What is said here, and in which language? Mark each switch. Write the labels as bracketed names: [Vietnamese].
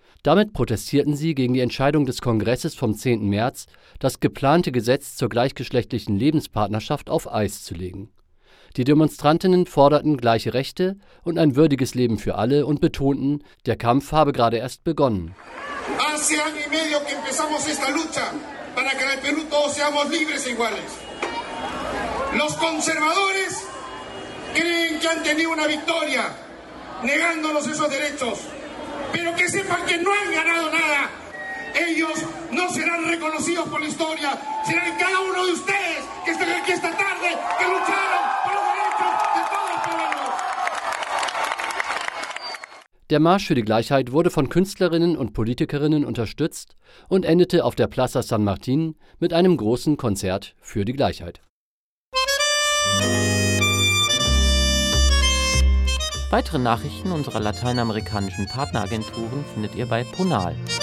[German] Damit protestierten sie gegen die Entscheidung des Kongresses vom 10. März, das geplante Gesetz zur gleichgeschlechtlichen Lebenspartnerschaft auf Eis zu legen. Die Demonstrantinnen forderten gleiche Rechte und ein würdiges Leben für alle und betonten, der Kampf habe gerade erst begonnen. [Spanish] Hace año y medio que empezamos esta lucha para que en el Perú todos seamos libres e iguales. Los conservadores creen que han tenido una victoria negándonos esos derechos. pero que sepan que no han ganado nada. Ellos no serán reconocidos por la historia, serán cada uno de ustedes que están aquí esta tarde, que lucharon por los derechos de todos los peruanos. [German] Der Marsch für die Gleichheit wurde von Künstlerinnen und Politikerinnen unterstützt und endete auf der Plaza San Martín mit einem großen Konzert für die Gleichheit. Weitere Nachrichten unserer lateinamerikanischen Partneragenturen findet ihr bei Ponal.